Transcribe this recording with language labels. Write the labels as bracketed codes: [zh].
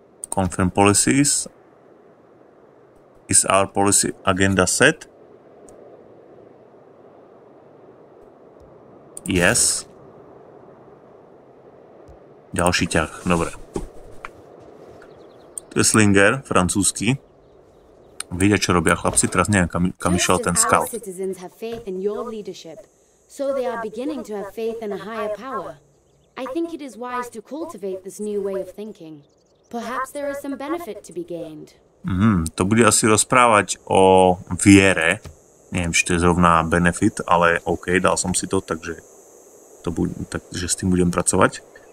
[en] Confirm policies. Is our policy agenda set? Yes. [sk] Ďalší ťah, dobre. To je Slinger, francúzsky. Vidia, čo robia chlapci, teraz neviem, kam išiel ten scout. [en] Most of our citizens have faith in your leadership, so they are beginning to have faith in a higher power. I think it is wise to cultivate this new way of thinking. Perhaps there is some benefit to be gained. [sk] To bude asi rozprávať o viere. Neviem, či to je zrovna benefit, ale OK, dal som si to, takže... Takže s tým budem pracovať.